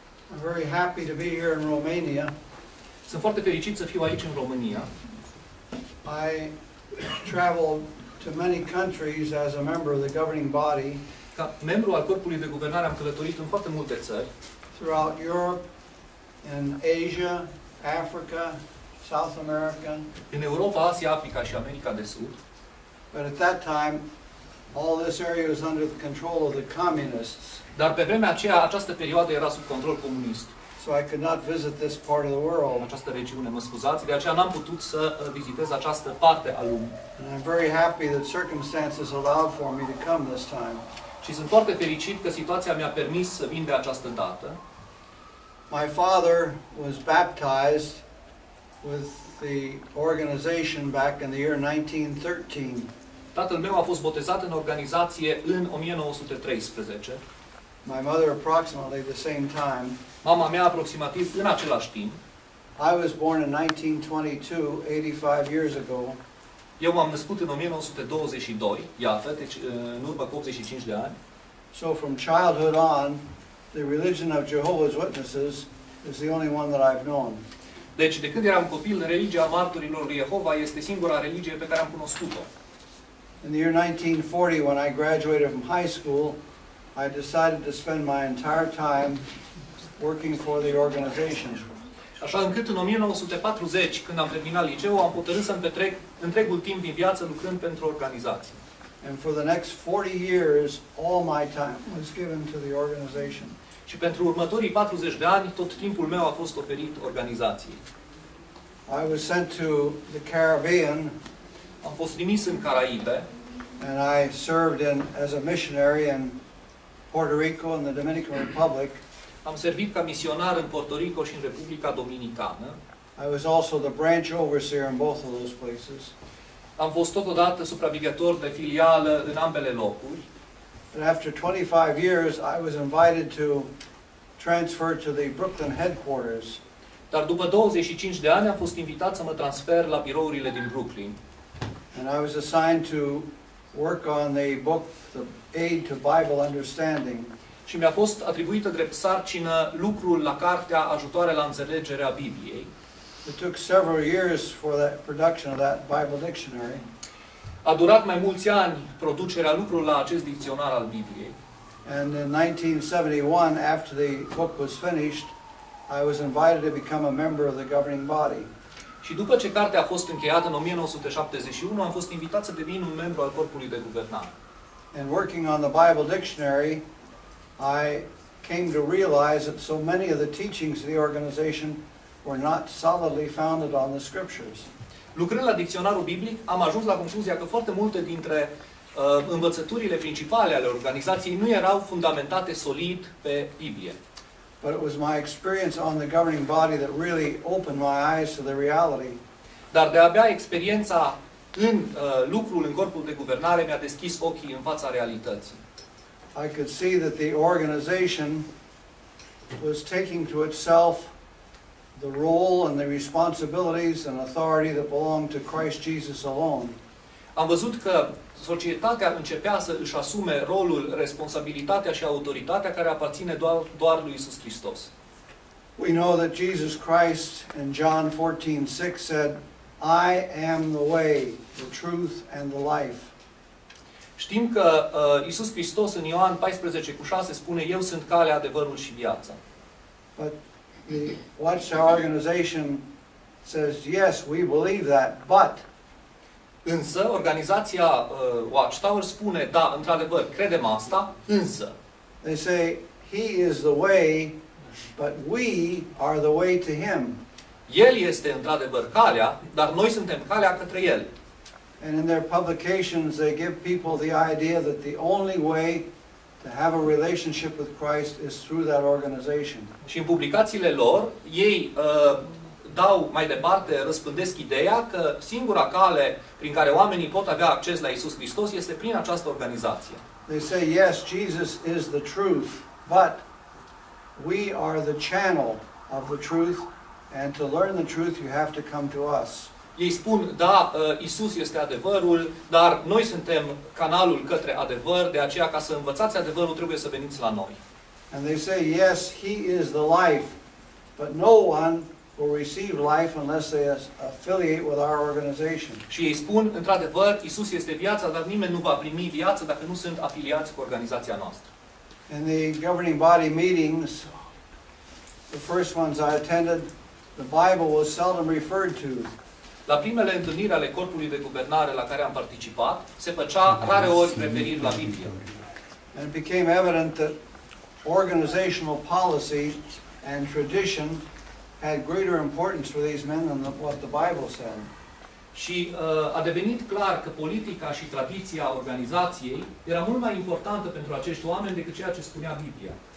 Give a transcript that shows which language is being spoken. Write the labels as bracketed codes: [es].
[en] I'm very happy to be here in Romania. [ro] Sunt foarte fericit să fiu aici în România. [en] I traveled to many countries as a member of the governing body. [ro] Ca membru al corpului de guvernare am călătorit în foarte multe țări. [en] Throughout Europe, in Asia, Africa, South America. [ro] În Europa, Asia, Africa și America de Sud. [en] But at that time, all this area was under the control of the communists. [ro] Dar pe vremea aceea, această perioadă era sub control comunist. [en] So I could not visit this part of the world. [ro] În această regiune, mă scuzați, de aceea n-am putut să vizitez această parte a lumii. [en] And I'm very happy that circumstances allowed for me to come this time. [ro] Și sunt foarte fericit că situația mi-a permis să vin de această dată. [en] My father was baptized with the organization back in the year 1913. [ro] Tatăl meu a fost botezat în organizație în 1913. [en] My mother approximately the same time. [ro] Mama mea aproximativ în același timp. [en] I was born in 1922, 85 years ago. [ro] Eu m-am născut în 1922, iată, deci în urmă cu 85 de ani. [en] So from childhood on, the religion of Jehovah's Witnesses is the only one that I've known. [ro] Deci de când eram copil, religia Marturilor lui Jehova este singura religie pe care am cunoscut-o. [en] In the year 1940, when I graduated from high school, I decided to spend my entire time working for the organization. [ro] Așa încât în 1940, când am terminat liceul, am hotărât să-mi petrec întregul timp din viață lucrând pentru organizație. [en] And for the next 40 years, all my time was given to the organization. [ro] Și pentru următorii 40 de ani, tot timpul meu a fost oferit organizației. [en] I was sent to the Caribbean. [ro] Am fost trimis în Caraibe. [en] And I served in as a missionary in Puerto Rico and the Dominican Republic. [ro] Am servit ca misionar în Puerto Rico și în Republica Dominicană. [en] I was also the branch overseer in both of those places. [ro] Am fost totodată supravegător de filială în ambele locuri. [en] And after 25 years, I was invited to transfer to the Brooklyn headquarters. [ro] Dar după 25 de ani am fost invitat să mă transfer la birourile din Brooklyn. [en] And I was assigned to work on the book The Aid to Bible Understanding. [ro] Și mi-a fost atribuită drept sarcină lucrul la cartea Ajutoare la înțelegerea Bibliei. [en] It took several years for the production of that Bible dictionary. [ro] A durat mai mulți ani producerea lucrul la acest dicționar al Bibliei. [en] And in 1971, after the book was finished, I was invited to become a member of the governing body. [ro] Și după ce cartea a fost încheiată în 1971, am fost invitat să devin un membru al corpului de guvernare. [en] And working on the Bible dictionary, I came to realize that so many of the teachings of the organization were not solidly founded on the scriptures. [ro] Lucrând la dicționarul biblic, am ajuns la concluzia că foarte multe dintre învățăturile principale ale organizației nu erau fundamentate solid pe Biblie. [en] But it was my experience on the governing body that really opened my eyes to the reality. [ro] Dar de-abia experiența în lucrul în corpul de guvernare mi-a deschis ochii în fața realității. [en] I could see that the organization was taking to itself the role and the responsibilities and authority that belonged to Christ Jesus alone. [ro] Am văzut că societatea începea să își asume rolul, responsabilitatea și autoritatea care aparține doar lui Iisus Hristos. [en] We know that Jesus Christ in John 14:6 said, "I am the way, the truth and the life." [ro] Știm că Iisus Hristos în Ioan 14:6 spune, "Eu sunt calea, adevărul și viața." [en] But the Watchtower organization says, "Yes, we believe that, but..." [ro] Însă, organizația Watchtower spune, "Da, într-adevăr, credem asta, însă..." [en] They say, "He is the way, but we are the way to Him." [ro] El este, într-adevăr, calea, dar noi suntem calea către El. [en] And in their publications, they give people the idea that the only way to have a relationship with Christ is through that organization. [ro] Și în publicațiile lor, ei dau mai departe, răspândesc ideea că singura cale prin care oamenii pot avea acces la Iisus Hristos este prin această organizație. [en] They say, "Yes, Jesus is the truth, but we are the channel of the truth, and to learn the truth, you have to come to us." [ro] Ei spun, "Da, Iisus este adevărul, dar noi suntem canalul către adevăr, de aceea ca să învățați adevărul trebuie să veniți la noi." [en] And they say, "Yes, He is the life, but no one will receive life unless they affiliate with our organization." [ro] Și ei spun, "Într-adevăr, Iisus este viața, dar nimeni nu va primi viață dacă nu sunt afiliați cu organizația noastră." [en] In the governing body meetings, The first ones I attended, the Bible was seldom referred to. [ro] La primele întâlniri ale corpului de guvernare la care am participat, se făcea rare ori referire la Biblie. [en] And it became evident that organizational policy and tradition had greater importance for these men than what the Bible said. [ro] Și a devenit clar că politica și tradiția organizației era mult mai importantă pentru acești oameni decât ceea ce spunea Biblia.